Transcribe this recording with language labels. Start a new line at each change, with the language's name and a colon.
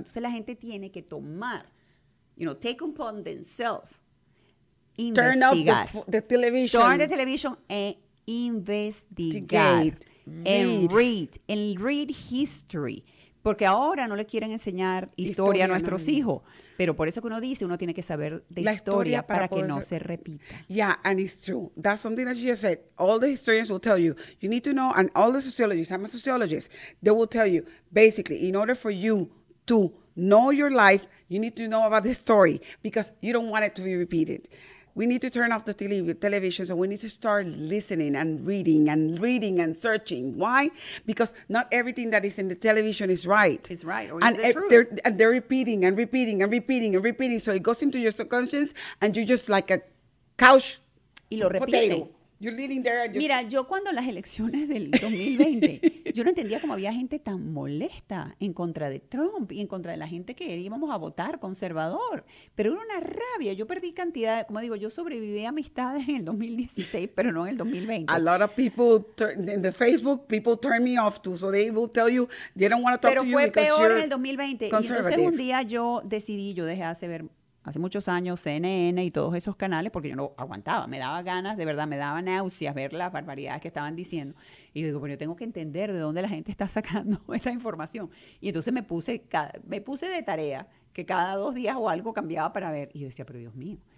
Spanish: Entonces la gente tiene que tomar,
English: you know, take upon themselves,
Spanish: investigar.
English: Turn off the television. Turn the television
Spanish: e investigar.
English: And read history.
Spanish: Porque ahora no le quieren enseñar historia a nuestros hijos. Pero por eso que uno dice, uno tiene que saber de la historia para que no se repita.
English: Yeah, and it's true. That's something that she said. All the historians will tell you, you need to know, and all the sociologists, I'm a sociologist, they will tell you, basically, in order for you to know your life, you need to know about the story because you don't want it to be repeated. We need to turn off the television, so we need to start listening and reading and reading and searching. Why? Because not everything that is in the television is right. It's right, or and is the truth. They're repeating and repeating and repeating and repeating, so it goes into your subconscious, and you're just like a couch
Spanish: y lo
English: potato.
Spanish: Repite.
English: You're leading there. And just...
Spanish: Mira, yo cuando las elecciones del 2020, yo no entendía cómo había gente tan molesta en contra de Trump y en contra de la gente que íbamos a votar conservador. Pero era una rabia. Yo perdí cantidad, como digo, yo sobreviví a amistades en el 2016, pero no en el 2020.
English: A lot of people, in the Facebook, people turn me off too. So they will tell you, they don't want to talk to you because you're conservative.
Spanish: Pero fue peor en el 2020. Y entonces un día yo decidí, yo dejé de ver... Hace muchos años, CNN y todos esos canales, porque yo no aguantaba. Me daba ganas, de verdad, me daba náuseas ver las barbaridades que estaban diciendo. Y yo digo, pero yo tengo que entender de dónde la gente está sacando esta información. Y entonces me puse de tarea que cada dos días o algo cambiaba para ver. Y yo decía, pero Dios mío.